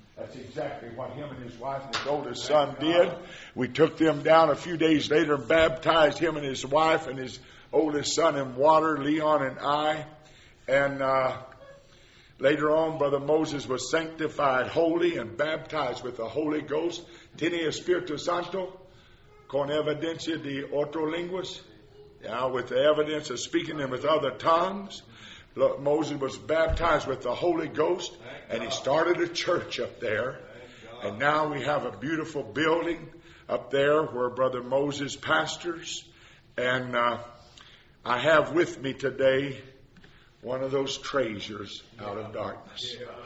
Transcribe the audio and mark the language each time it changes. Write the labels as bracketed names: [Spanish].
[English] That's exactly what him and his wife and his oldest son did. We took them down a few days later and baptized him and his wife and his oldest son in water, Leon and I. And later on, Brother Moses was sanctified holy and baptized with the Holy Ghost. [Spanish] Tiene Espíritu Santo con evidencia de otro lenguas. [English] Now, with the evidence of speaking them with other tongues. Look, Moses was baptized with the Holy Ghost, and he started a church up there. And now we have a beautiful building up there where Brother Moses pastors. And I have with me today one of those treasures out of darkness.